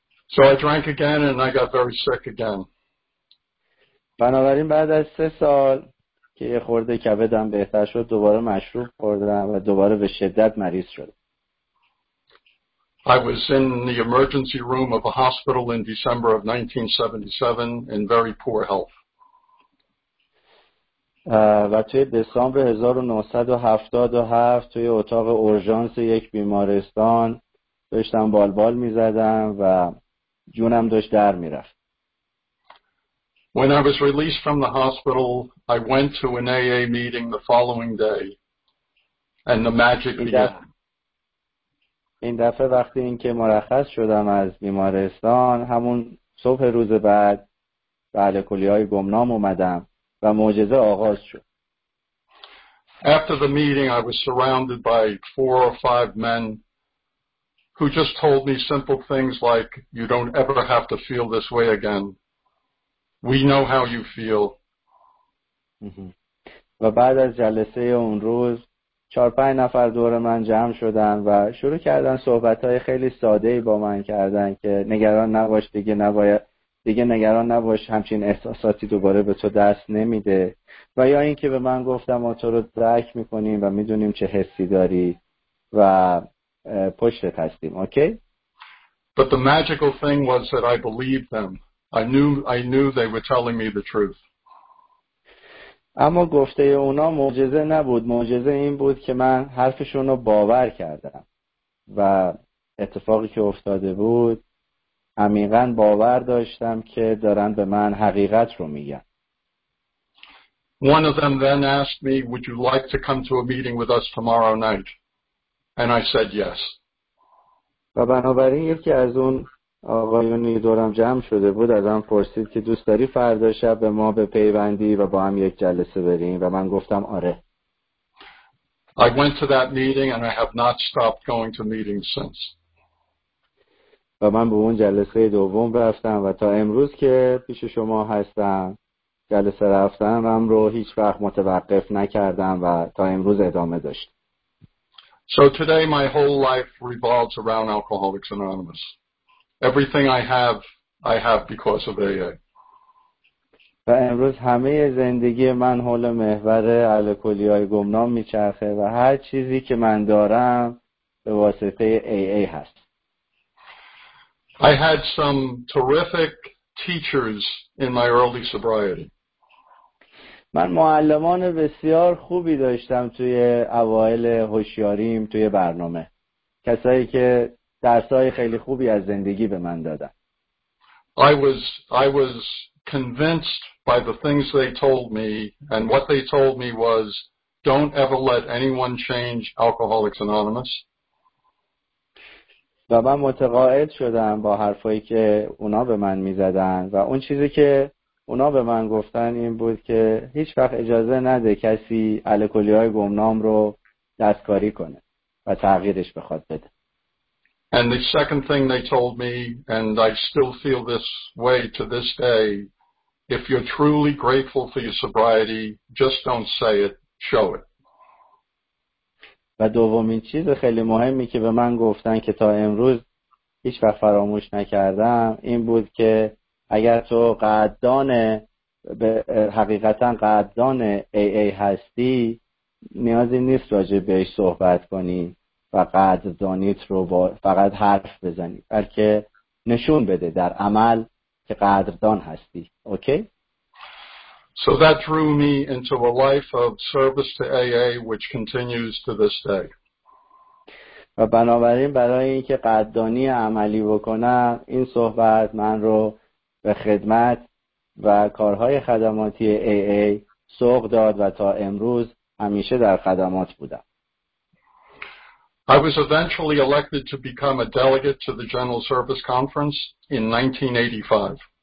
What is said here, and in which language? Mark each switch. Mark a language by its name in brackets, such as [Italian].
[English] So I drank again and I got very sick again. [Persian] بنابراین بعد از 3 سال که یه خورده کبدم بهتر شد دوباره مشروب خوردم و دوباره به شدت مریض شدم. [English] I was in the emergency room of a hospital in December of 1977 in very poor health. [Persian] و توی دسامبر 1977 توی اتاق اورژانس یک بیمارستان داشتم بالبال می‌زدم و جونم داشت در می‌رفت. [English] When I was released from the hospital, I went to an AA meeting the following day and the magic began. [Persian] این دفعه وقتی اینکه مرخص شدم از بیمارستان همون صبح روز بعد به الکلی‌های گمنام اومدم و معجزه آغاز شد. [English] After the meeting I was surrounded by 4 or 5 men who just told me simple things like you don't ever have to feel this way again. We know how you feel. [Persian] و بعد از جلسه اون روز 4-5 نفر دور من جمع شدن و شروع کردن صحبت‌های خیلی ساده‌ای با من کردن که نگران نباش دیگه نباید دیگه نگران نباش همچین احساساتی دوباره به تو دست نمیده و یا اینکه به من گفتم ما تو رو درک میکنیم و میدونیم چه حسی داری و پشتت هستیم. اوکی؟ [English] But the magical thing was that I believed them. I knew they were telling me the truth. [Persian] اما گفته اونا معجزه نبود. معجزه این بود که من حرفشون رو باور کردم و اتفاقی که افتاده بود عمیقاً باور داشتم که دارن به من حقیقت رو میگن. [English] One of them then asked me, would you like to come to a meeting with us tomorrow night? And I said yes. [Persian] و بنابراین یکی از اون آقایونی دورم جمع شده بود ازم پرسید که دوست داری فردا شب به ما بپیوندی و با هم یک جلسه بریم و من گفتم آره. [English] I went to that meeting and I have not stopped going to meetings since. [Persian] و من به اون جلسه دوم رفتم و تا امروز که پیش شما هستم جلسه رفتم و هم رو هیچ وقت متوقف نکردم و تا امروز ادامه داشت. [English] So today my whole life revolves around Alcoholics Anonymous. Everything I have because of AA. [Persian] و امروز همه زندگی من حول محور الکلی‌های گمنام میچرخه و هر چیزی که من دارم به واسطه AA هست. [English] I had some terrific teachers in my early sobriety. [Persian] من معلمان بسیار خوبی داشتم توی اوایل هوشیاریم توی برنامه. کسایی که درس‌های خیلی خوبی از زندگی به من دادن. [English] I was convinced by the things they told me, and what they told me was don't ever let anyone change Alcoholics Anonymous. [Persian] و من متقاعد شدم با حرفایی که اونا به من می‌زدن و اون چیزی که اونا به من گفتن این بود که هیچ وقت اجازه نده کسی الکلی‌های گمنام رو دستکاری کنه و تغییرش بخواد بده. [English] And the second thing they told me, and I still feel this way to this day, if you're truly grateful for your sobriety, just don't say it, show it. [Persian] و دومین چیز خیلی مهمی که به من گفتن که تا امروز هیچ وقت فراموش نکردم این بود که اگر تو قدردان حقیقتاً قدردان AA هستی، نیازی نیست راجع بهش صحبت کنی و قدردانیت رو فقط حرف بزنی، بلکه نشون بده در عمل که قدردان هستی. اوکی؟ [English] So that drew me into a life of service to AA, which continues to this day. [Persian] و بنابراین برای اینکه قدردانی عملی بکنم، این صحبت من رو به خدمت و کارهای خدماتی AA سوق داد و تا امروز همیشه در خدمات بودم. [English] I was eventually elected to become a delegate to the General Service Conference in 1985.